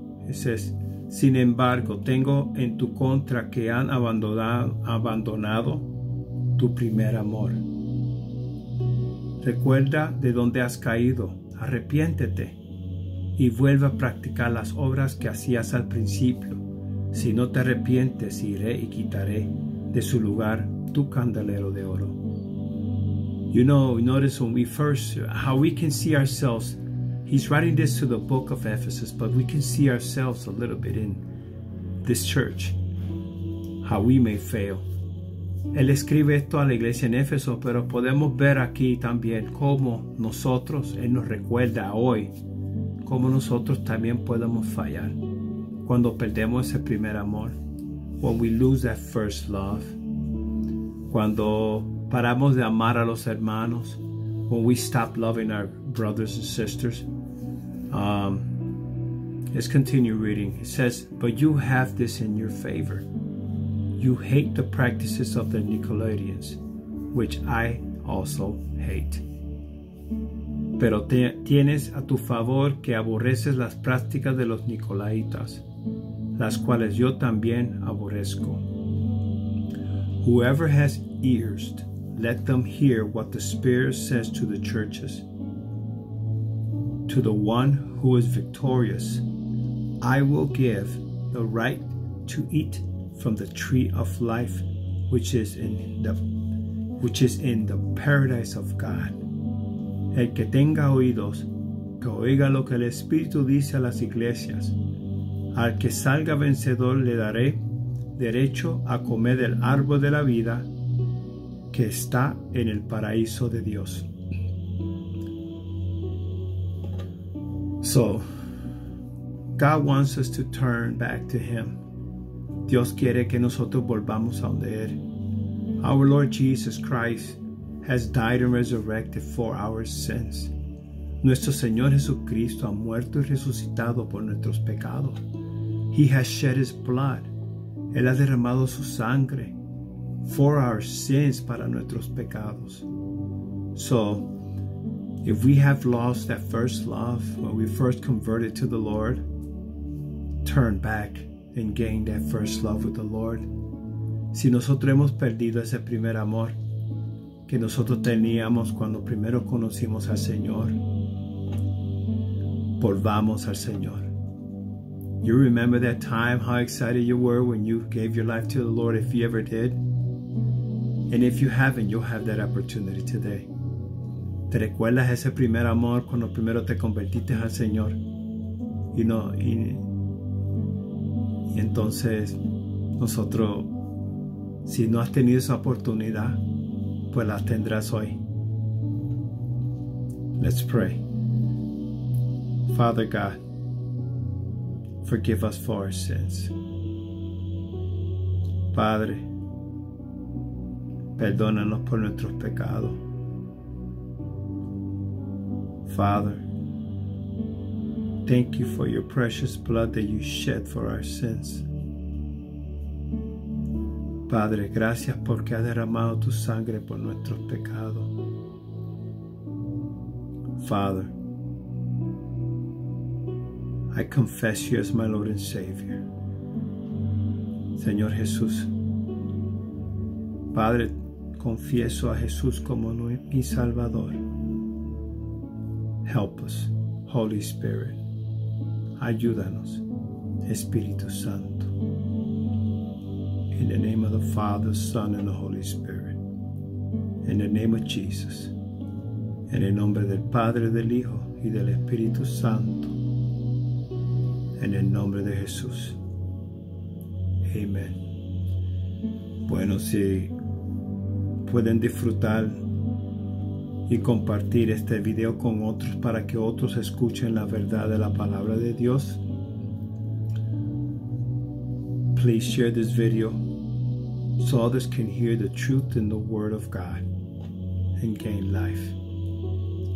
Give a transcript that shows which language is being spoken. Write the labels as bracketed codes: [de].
[en] It says, [es] sin embargo, tengo en tu contra que han abandonado tu primer amor. Recuerda de donde has caído. Arrepiéntete y vuelve a practicar las obras que hacías al principio. Si no te arrepientes, iré y quitaré de su lugar tu candelero de oro. [en] You know, notice when we first, how we can see ourselves. He's writing this to the book of Ephesus, but we can see ourselves a little bit in this church. How we may fail. [es] Él escribe esto a la iglesia en Éfeso, pero podemos ver aquí también cómo nosotros, él nos recuerda hoy, cómo nosotros también podemos fallar. Cuando perdemos ese primer amor, [en] when we lose that first love, [es] cuando paramos de amar a los hermanos, [en] when we stop loving our brothers and sisters. Let's continue reading. It says, but you have this in your favor. You hate the practices of the Nicolaitans, which I also hate. [es] pero tienes a tu favor que aborreces las prácticas de los Nicolaitas, las cuales yo también aborrezco. [en] Whoever has ears, let them hear what the Spirit says to the churches. To the one who is victorious, I will give the right to eat from the tree of life, which is in the paradise of God. [es] El que tenga oídos, que oiga lo que el Espíritu dice a las iglesias. Al que salga vencedor le daré derecho a comer del árbol de la vida que está en el paraíso de Dios. [en] So, God wants us to turn back to Him. [es] Dios quiere que nosotros volvamos a donde Él. [en] Our Lord Jesus Christ has died and resurrected for our sins. [es] Nuestro Señor Jesucristo ha muerto y resucitado por nuestros pecados. [en] He has shed His blood. [es] Él ha derramado su sangre [en] for our sins, [es] para nuestros pecados. [en] So, if we have lost that first love when we first converted to the Lord, turn back and gain that first love with the Lord. [es] Si nosotros hemos perdido ese primer amor que nosotros teníamos cuando primero conocimos al Señor, volvamos al Señor. [en] You remember that time, how excited you were when you gave your life to the Lord, if you ever did? And if you haven't, you'll have that opportunity today. [es] ¿Te recuerdas ese primer amor cuando primero te convertiste al Señor? Y entonces, nosotros, si no has tenido esa oportunidad, pues la tendrás hoy. [en] Let's pray. Father God, forgive us for our sins. [es] Padre, perdónanos por nuestros pecados. [en] Father, thank you for your precious blood that you shed for our sins. [es] Padre, gracias porque has derramado tu sangre por nuestros pecados. [en] Father, I confess you as my Lord and Savior. [es] Señor Jesús, Padre, confieso a Jesús como mi Salvador. [en] Help us, Holy Spirit. [es] Ayúdanos, Espíritu Santo. [en] In the name of the Father, Son, and the Holy Spirit. In the name of Jesus. [es] En el nombre del Padre, del Hijo, y del Espíritu Santo. En el nombre de Jesús. [en] Amen. [es] Bueno, si pueden disfrutar y compartir este video con otros para que otros escuchen la verdad de la palabra de Dios. [en] Please share this video so others can hear the truth in the Word of God and gain life.